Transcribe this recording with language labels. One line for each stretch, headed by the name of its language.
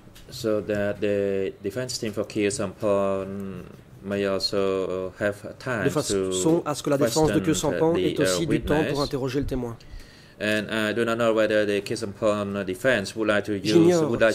English: So that the defense team for Kyuson Pon may also have time
French: de façon à ce que la défense de Kyuson Pon ait aussi du temps pour interroger le témoin.
English: And I do not know whether the Kyuson Pon defense would like to use would like